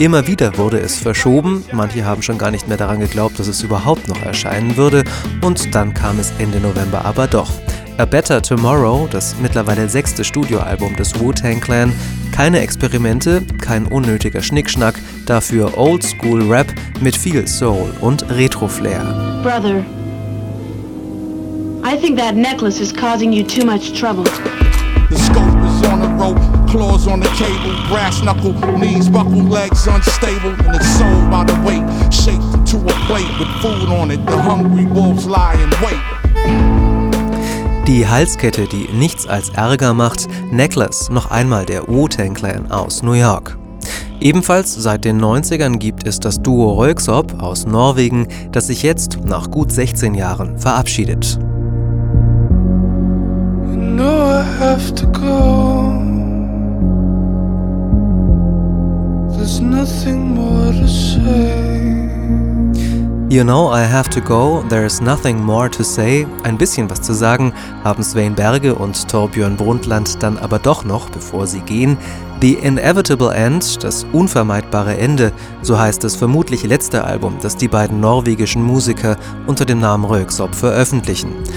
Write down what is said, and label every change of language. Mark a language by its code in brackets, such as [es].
[de] Immer wieder wurde es verschoben, manche haben schon gar nicht mehr daran geglaubt, dass es überhaupt noch erscheinen würde, und dann kam es Ende November aber doch. A Better Tomorrow, das mittlerweile sechste Studioalbum des Wu-Tang Clan, keine Experimente, kein unnötiger Schnickschnack, dafür Oldschool-Rap mit viel Soul und Retro-Flair. [en] Brother, I think that necklace is causing you too much trouble. The scope is on a rope, claws on the cable, brass knuckle, knees buckle, legs unstable, and it's sold by the weight, shaped to a plate with food on it, the hungry wolves lie in wait. [de] Die Halskette, die nichts als Ärger macht, Necklace, noch einmal der Wu-Tang Clan aus New York. Ebenfalls seit den 90ern gibt es das Duo Røyksopp aus Norwegen, das sich jetzt nach gut 16 Jahren verabschiedet. [en] No, I have to go. There's nothing more to say. You know I have to go, there's nothing more to say. [de] Ein bisschen was zu sagen haben Svein Berge und Torbjørn Brundtland dann aber doch noch, bevor sie gehen. The Inevitable End, das unvermeidbare Ende, so heißt das vermutlich letzte Album, das die beiden norwegischen Musiker unter dem Namen Røyksopp veröffentlichen.